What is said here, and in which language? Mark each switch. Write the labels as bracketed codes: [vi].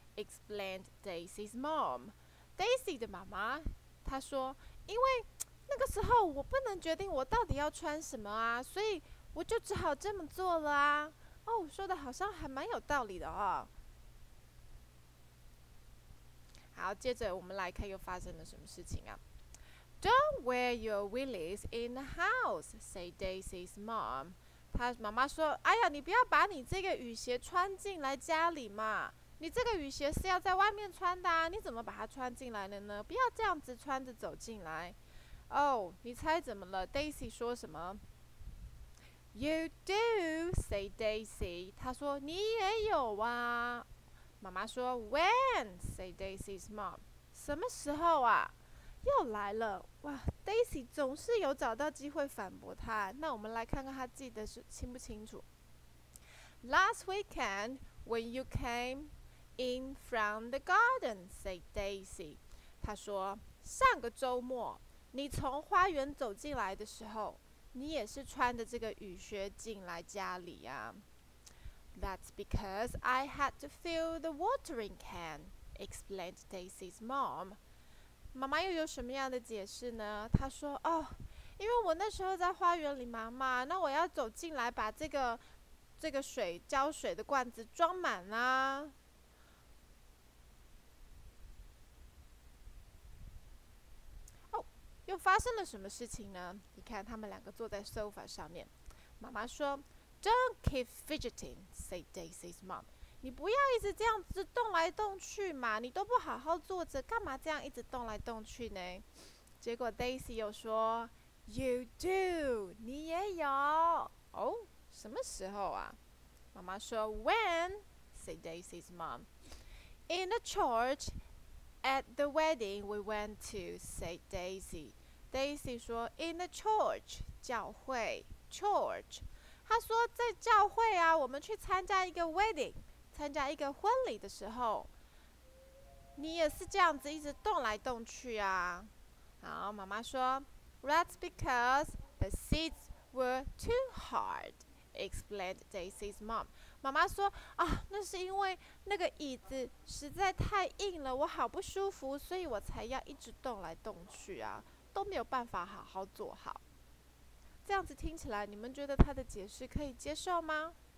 [en] explained Daisy's mom. [zh] Daisy 的妈妈她说，因为那个时候我不能决定我到底要穿什么啊，所以我就只好这么做了啊。哦，说的好像还蛮有道理的哦。好，接着我们来看又发生了什么事情啊？ [en] Don't wear your willies in the house, said Daisy's mom. [zh] 她妈妈说："哎呀，你不要把你这个雨鞋穿进来家里嘛！你这个雨鞋是要在外面穿的啊，你怎么把它穿进来了呢？不要这样子穿着走进来。" 哦，你猜怎么了？Daisy 说什么？ [en] You do, said Daisy. [zh] 她说："你也有啊。" 妈妈说： [en] "When？" said Daisy's mom. [zh] 什么时候啊？又来了哇！Daisy 总是有找到机会反驳他。那我们来看看他记得是清不清楚。 [en] Last weekend when you came in from the garden, said Daisy. [zh] 他说上个周末你从花园走进来的时候，你也是穿着这个雨靴进来家里呀。 [en] That's because I had to fill the watering can, explained Daisy's mom. [zh] 妈妈又有什么样的解释呢？她说："哦，因为我那时候在花园里忙嘛，那我要走进来把这个水浇水的罐子装满啊。" 又发生了什么事情呢？你看，他们两个坐在 sofa 上面，妈妈说。 [en] Don't keep fidgeting, said Daisy's mom. [zh] 你不要一直这样子动来动去嘛，你都不好好坐着，干嘛这样一直动来动去呢？结果 Daisy 又说， [en] You do, [zh] 你也有。哦，什么时候啊？妈妈说， [en] When? said Daisy's mom. In the church, at the wedding we went to, said Daisy. [zh] Daisy 说， [en] In the church, [zh] 教会，church。他说："在教会啊，我们去参加一个 wedding，参加一个婚礼的时候，你也是这样子一直动来动去啊。" 然后妈妈说：" [en] That's because the seats were too hard," explained Daisy's mom。 [zh] 妈妈说："啊，那是因为那个椅子实在太硬了，我好不舒服，所以我才要一直动来动去啊，都没有办法好好坐好。" 这样子听起来，你们觉得他的解释可以接受吗？